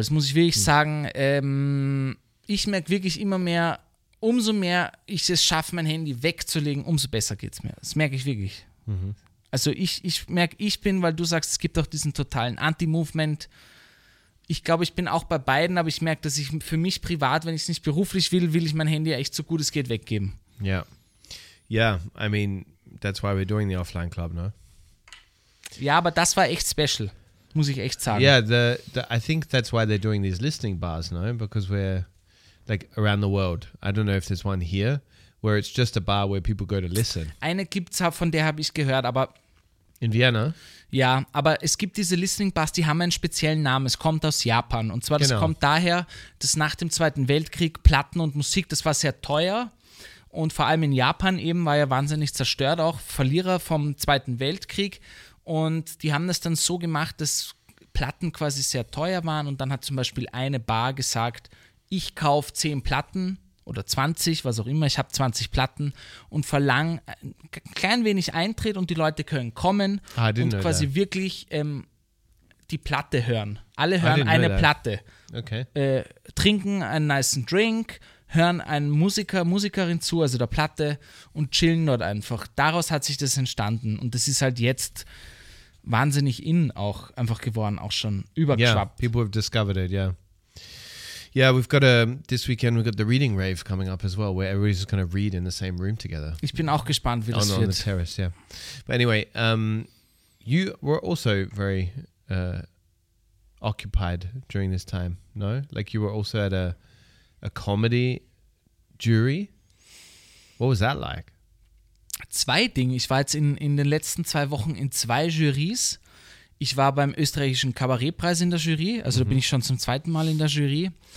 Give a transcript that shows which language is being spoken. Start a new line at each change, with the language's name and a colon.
German: Das muss ich wirklich sagen. Ich merke wirklich immer mehr, umso mehr ich es schaffe, mein Handy wegzulegen, umso besser geht es mir. Das merke ich wirklich. Mhm. Also ich merke, ich bin, weil du sagst, es gibt auch diesen totalen Anti-Movement. Ich glaube, ich bin auch bei beiden, aber ich merke, dass ich für mich privat, wenn ich es nicht beruflich will, will ich mein Handy echt so gut es geht weggeben. Ja.
English: Yeah. Yeah, I mean, that's why we're doing the offline club, no?
German: Ja, aber das war echt special. muss ich echt sagen.
English: Yeah, I think that's why they're doing these listening bars, no? Because we're like around the world. I don't know if there's one here where it's just a bar where people go to listen.
German: Eine gibt's, von der habe ich gehört, aber
English: in Vienna?
German: Ja, aber es gibt diese Listening Bars, die haben einen speziellen Namen. Es kommt aus Japan. Und zwar, das genau. kommt daher, dass nach dem Zweiten Weltkrieg Platten und Musik, das war sehr teuer. Und vor allem in Japan eben war ja wahnsinnig zerstört, auch Verlierer vom Zweiten Weltkrieg. Und die haben das dann so gemacht, dass Platten quasi sehr teuer waren. Und dann hat zum Beispiel eine Bar gesagt, ich kaufe 10 Platten oder 20, was auch immer, ich habe 20 Platten und verlang ein klein wenig Eintritt und die Leute können kommen und quasi wirklich die Platte hören. Alle hören eine Platte. Okay. Trinken einen nicen Drink, hören einen Musiker, Musikerin zu, also der Platte und chillen dort einfach. Daraus hat sich das entstanden und das ist halt jetzt wahnsinnig in auch einfach geworden, auch schon übergeschwappt.
English: Yeah, people have discovered it, yeah. Yeah, we've got this weekend we've got the reading rave coming up as well, where everybody's just going to read in the same room together.
German: Ich bin auch gespannt, wie das wird.
English: On the terrace, yeah. But anyway, you were also very occupied during this time, no? Like you were also at a comedy jury. What was that like?
German: Zwei Dinge. Ich war jetzt in den letzten zwei Wochen in zwei Jurys. Ich war beim österreichischen Kabarettpreis in der Jury, also da bin ich schon zum zweiten Mal in der Jury.